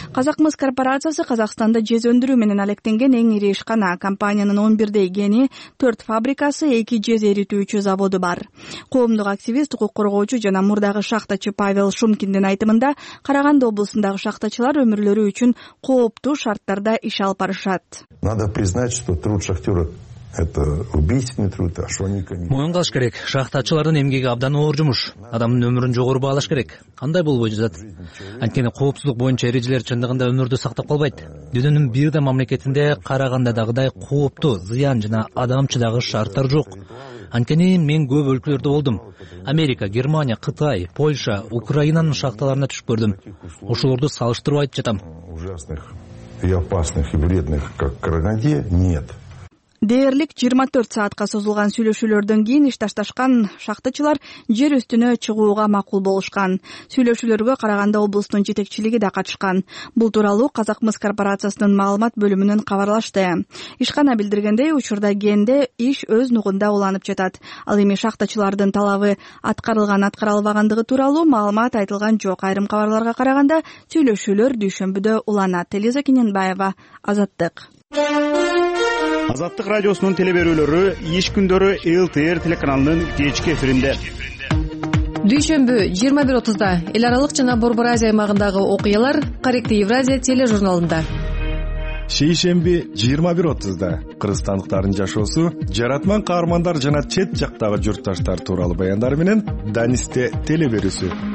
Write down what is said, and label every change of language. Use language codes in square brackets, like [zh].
[ky] Казак Мыс корпорациясы Казакстанда жез өндүрүү менен алектенген эң ири ишкана. Компаниянын 11 гени, 4 фабрикасы, 2 жез эритүүчү заводу бар. Коомдук активист, укук коргоочу жана мурдагы шахтачы Павел Шум кимдин айтымында Караганды облусундагы шахтачылар өмүрлөрү үчүн кооптуу шарттарда иш алып барышат. [ru] Надо признать, что труд шахтёра это убийственный труд, а что они конечно. [ky] Моюн калыш керек. Шахтачылардын эмгеги абдан оор жумуш. Адамдын өмүрүн жогору баалаш керек. Кандай болбой жатат? Анткени коопсуздук боюнча эрежелер чындыгында өмүрдү сактап калбайт. Дүйнөнүн бир да мамлекетинде Карагандадагыдай кооптуу, зыян жана адамчыдагы шарттар жок. Анткени мен көп өлкөлөрдө болдум. Америка, Германия, Кытай, Польша, Украинанын шахталарына түшүп көрдүм. Ошолорду салыштырып айтып жатам. [ru] Ужасных и опасных и вредных, как Караганде, нет. [ky] Дээрлик 24 саатка созулган сүйлөшүүлөрдөн кийин иш ташташкан шахтачылар жер үстүнө чыгууга макул болушкан. Сүйлөшүүлөргө Караганды облусунун жетекчилиги да катышкан. Бул тууралуу Казак Мыс корпорациясынын маалымат бөлүмүнөн кабарлашты. Ишкана билдиргендей, учурда генде иш өз нугунда уланып жатат. Ал эми шахтачылардын талабы аткарылган, аткарылбагандыгы тууралуу маалымат айтылган жок. Айрым кабарларга караганда, сүйлөшүүлөр дүйшөмбүдө уланат. Элиза Кененбаева, Азаттык. Азаттык радиосунун телеберүүлөрү иш күндөрү ЛТР телеканалынын кечки эфиринде. Дүйшөмбү 21:30 эл аралык жана Борбор Азия аймагындагы окуялар Каректи Евразия тележурналында. Шейшемби 21:30 кыргызстандыктардын жашоосу, жаратман каармандар жана чет жактагы журтташтар тууралуу баяндар менен Данисте телеберүүсү.